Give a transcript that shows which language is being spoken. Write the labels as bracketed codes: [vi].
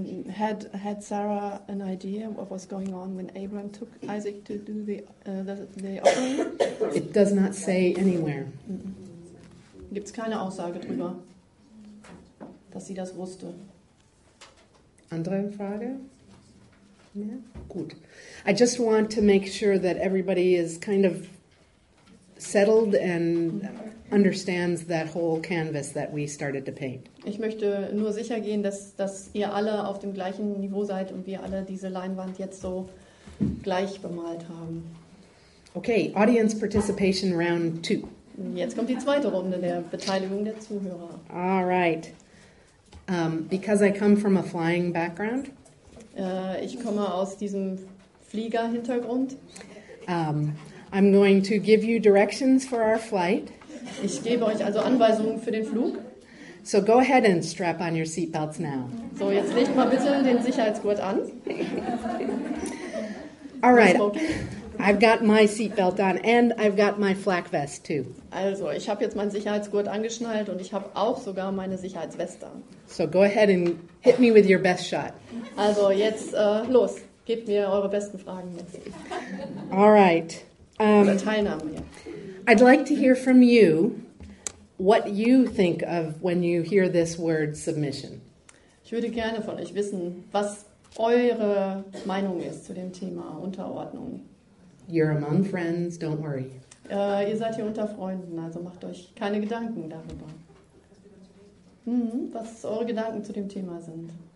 [en] Had Sarah an idea what was going on when Abraham took Isaac to do the offering? It does not say anywhere. [de] Gibt's keine Aussage drüber, dass sie das wusste. Andere Frage? Yeah. Gut. [en] I just want to make sure that everybody is kind of settled and understands that whole canvas that we started to paint. [de] Ich möchte nur sicher gehen, dass ihr alle auf dem gleichen Niveau seid und wir alle diese Leinwand jetzt so gleich bemalt haben. [en] Okay, Audience Participation Round 2. [de] Jetzt kommt die zweite Runde der Beteiligung der Zuhörer. [en] All right. Because I come from a flying background. [de] Ich komme aus diesem Fliegerhintergrund. [en] I'm going to give you directions for our flight. [de] Ich gebe euch also Anweisungen für den Flug. [en] So go ahead and strap on your seatbelts now. [de] So, jetzt legt mal bitte den Sicherheitsgurt an. [en] All right. I've got my seatbelt on and I've got my flak vest too. [de] Also, ich habe jetzt meinen Sicherheitsgurt angeschnallt und ich habe auch sogar meine Sicherheitsweste. [en] So go ahead and hit me with your best shot. [de] Also, jetzt los. Gebt mir eure besten Fragen jetzt. [en] All right. [de] Oder Teilnahme, ja. [en] I'd like to hear from you what you think of when you hear this word submission. [de] Ich würde gerne von euch wissen, was eure Meinung ist zu dem Thema Unterordnung. [en] You're among friends, don't worry. [de] Ihr seid hier unter Freunden, also macht euch keine Gedanken darüber. Was eure Gedanken zu dem Thema sind.